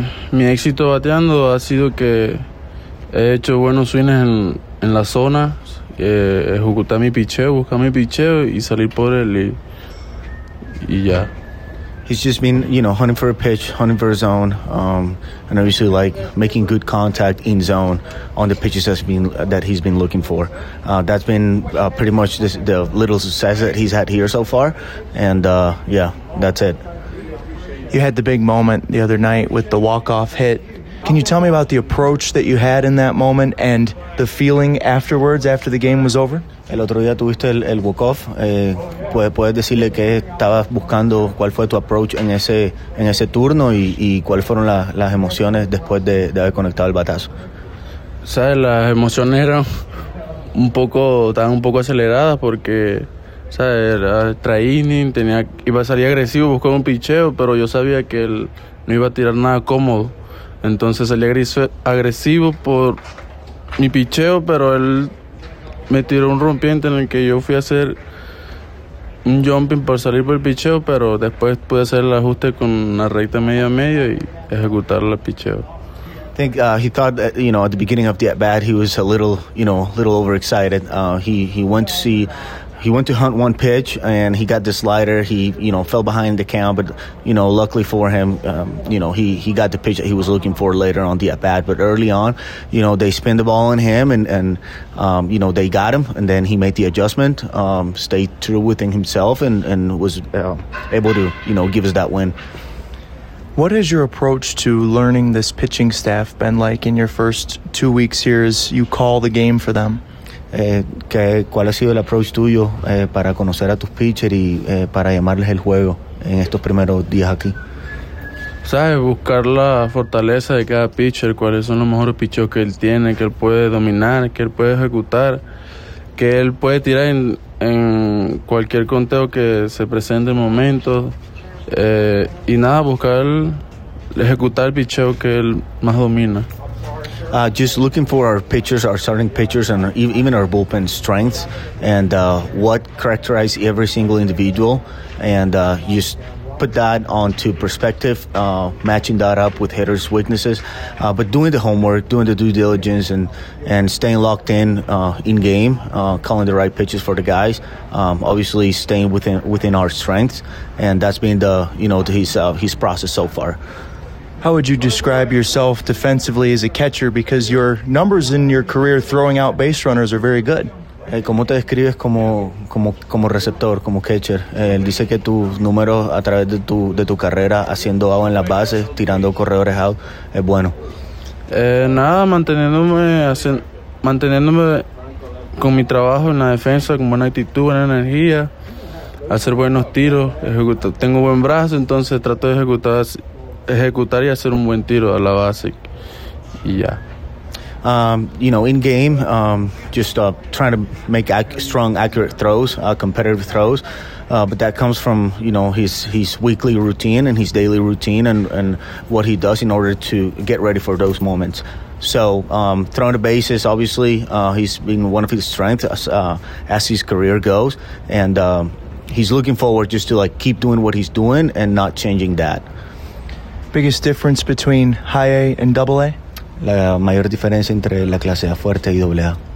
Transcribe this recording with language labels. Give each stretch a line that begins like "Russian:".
Spanish: Mi éxito bateando ha sido que he hecho buenos swings en la zona, ejecutar mi picheo, buscar mi picheo y salir por él y ya.
English: He's just been, you know, hunting for a pitch, hunting for a zone, and obviously like making good contact in zone on the pitches that he's been looking for. That's been pretty much the little success that he's had here so far, and yeah, that's it. You had the big moment the other night with the walk-off hit. Can you tell me about the approach that you had in that moment and the feeling afterwards, after the game was over?
Spanish: El otro día tuviste el walk-off. ¿Puedes decirle qué estabas buscando, cuál fue tu approach en ese turno y cuáles fueron las emociones después de haber conectado el batazo? ¿Sabes? Las emociones eran un poco, estaban un poco aceleradas porque... O sea, era training, iba a salir agresivo, buscó un picheo, pero yo sabía que él no iba a tirar nada cómodo. Entonces salí agresivo por mi picheo, pero él me tiró un rompiente en el que yo fui a hacer un jumping para salir por el picheo, pero después pude hacer el ajuste con una recta media a medio y ejecutar el picheo.
English: I think he thought that, you know, at the beginning of the at-bat, he was a little, you know, a little overexcited. He went to hunt one pitch, and he got the slider. He, you know, fell behind the count, but, you know, luckily for him, you know, he got the pitch that he was looking for later on the at-bat. But early on, you know, they spin the ball on him, and you know, they got him, and then he made the adjustment, stayed true within himself, and was able to, you know, give us that win. What has your approach to learning this pitching staff been like in your first 2 weeks here as you call the game for them?
Spanish: ¿Cuál ha sido el approach tuyo para conocer a tus pitchers y para llamarles el juego en estos primeros días aquí? ¿Sabes? Buscar la fortaleza de cada pitcher, cuáles son los mejores pitchers que él tiene, que él puede dominar, que él puede ejecutar, que él puede tirar en cualquier conteo que se presente en momentos. Y nada, buscar ejecutar el pitcher que él más domina.
English: Just looking for our pitchers, our starting pitchers, and even our bullpen strengths, and what characterizes every single individual, and just put that onto perspective, matching that up with hitters' weaknesses, but doing the homework, doing the due diligence, and staying locked in game, calling the right pitches for the guys, obviously staying within our strengths, and that's been the, you know, his process so far. How would you describe yourself defensively as a catcher? Because your numbers in your career throwing out base runners are very good.
Spanish: ¿Cómo te describes como receptor, como catcher? Él dice que tus números a través de tu carrera haciendo out en las bases, tirando corredores out, es bueno. Nada, manteniéndome con mi trabajo en la defensa, con buena actitud, buena energía, hacer buenos tiros. Tengo buen brazo, entonces trato de ejecutar y hacer un buen tiro a la base y ya.
English: You know, in game, just trying to make strong, accurate throws, competitive throws, but that comes from, you know, his weekly routine and his daily routine and what he does in order to get ready for those moments. So throwing the bases, obviously, he's been one of his strengths as his career goes, and he's looking forward just to like keep doing what he's doing and not changing that. Biggest difference between high A and double A?
Spanish: La mayor diferencia entre la clase A fuerte y doble A.